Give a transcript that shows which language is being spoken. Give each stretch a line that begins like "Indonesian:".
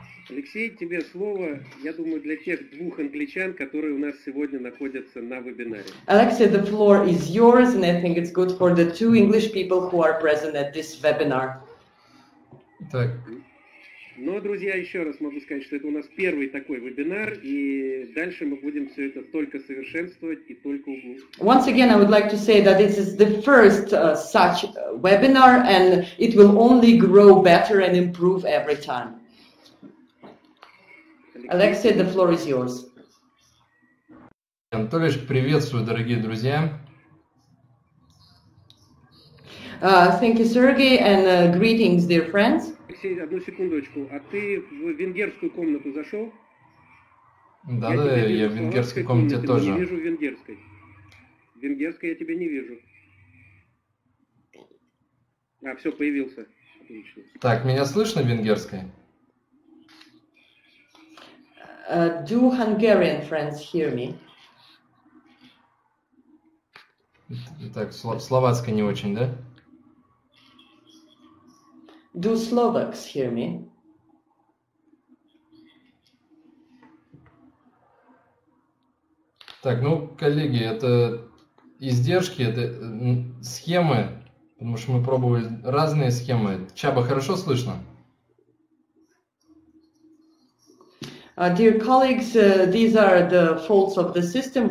Russian: Алексей, тебе слово, я думаю, для тех двух англичан, которые у нас сегодня находятся на вебинаре.
English: Алексей, the floor is yours, and I think it's good for the two English people who are present at this webinar.
Russian: Так. Но, друзья, еще раз могу сказать, что это у нас первый такой вебинар, и дальше мы будем все это только совершенствовать и только углубляться.
English: Once again, I would like to say that this is the first such webinar, and it will only grow better and improve every time. Алексей, the floor is yours.
Russian: Анатолич, приветствую, дорогие друзья.
English: Thank you, Sergey, and greetings, dear friends.
Russian: Алексей, одну секундочку. А ты в венгерскую комнату зашел? Да, я в венгерской комнате тоже. Я не вижу венгерской. Венгерской я тебя не вижу. А, все, появился. Отлично. Так, меня слышно в венгерской?
English: Do Hungarian friends hear me?
Russian: Так, словацкая не очень, да?
English: Do Slovaks hear me?
Russian: Так, ну, коллеги, это издержки, это схемы, потому что мы пробовали разные схемы. Чаба, хорошо слышно?
English: Dear colleagues, these are the faults of the system.